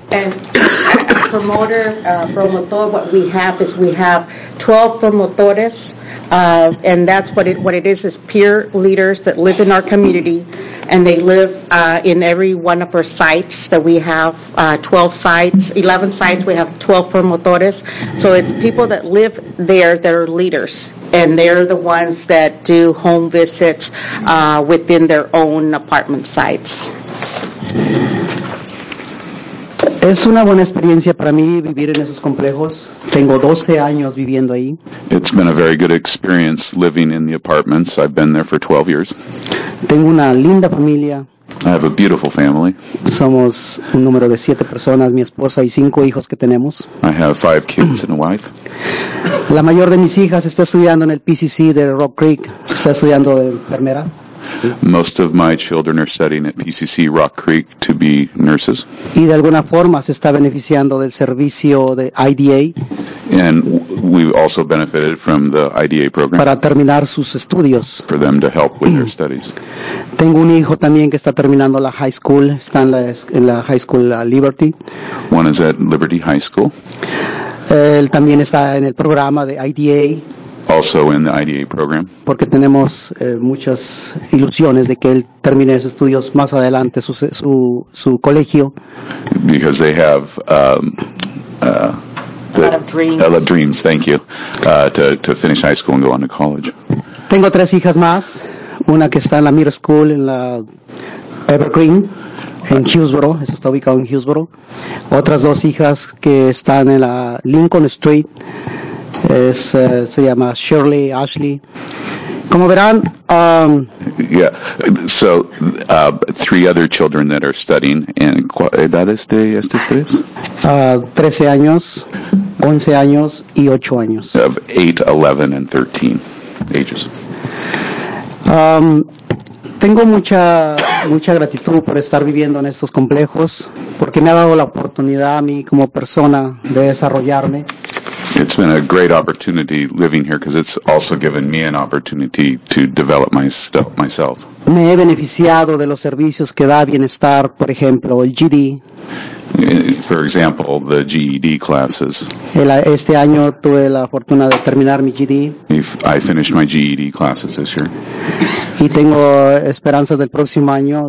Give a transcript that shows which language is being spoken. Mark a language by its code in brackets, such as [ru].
[en] And promoter, promotor, what we have is we have 12 promotores, and that's what it is peer leaders that live in our community, and they live in every one of our sites that we have, 11 sites, we have 12 promotores. So it's people that live there that are leaders, and they're the ones that do home visits within their own apartment sites. [es] Es una buena experiencia para mí vivir en esos complejos. Tengo 12 años viviendo ahí. [en] It's been a very good experience living in the apartments. I've been there for 12 years. [es] Tengo una linda familia. [en] I have a beautiful family. [es] Somos un número de 7 personas, mi esposa y 5 hijos que tenemos. [en] I have 5 kids and a wife. [es] La mayor de mis hijas está estudiando en el PCC de Rock Creek. Está estudiando de enfermera. [en] Most of my children are studying at PCC Rock Creek to be nurses. [es] Y de alguna forma se está beneficiando del servicio de IDA. [en] And we also benefited from the IDA program. [es] Para terminar sus estudios. [en] For them to help with their studies. [es] Tengo un hijo también que está terminando la high school. Está en la high school Liberty. [en] One is at Liberty High School. [es] Él también está en el programa de IDA. [en] Also in the IDA program. [es] Porque tenemos muchas ilusiones de que él termine sus estudios más adelante, su colegio. [en] Because they have Isla Dreams, thank you, to finish high school and go on to college. [es] Tengo tres hijas más, una que está en la Middle School en la Evergreen, en Hillsboro, eso está ubicado en Hillsboro. Otras dos hijas que están en la Lincoln Street, se llama Shirley, Ashley. Como verán, [en] yeah, so three other children that are studying, and [es] ¿cuál edad es de estos tres? 13 años, 11 años y 8 años. [en] Of 8, 11, and 13 ages. [es] Tengo mucha gratitud por estar viviendo en estos complejos, porque me ha dado la oportunidad a mí como persona de desarrollarme. [en] It's been a great opportunity living here because it's also given me an opportunity to develop myself. [es] Me he beneficiado de los servicios que da Bienestar, por ejemplo, el GED. [en] For example, the GED classes. [es] Este año tuve la fortuna de terminar mi GED. [en] I finished my GED classes this year. [es] Y tengo esperanzas del próximo año.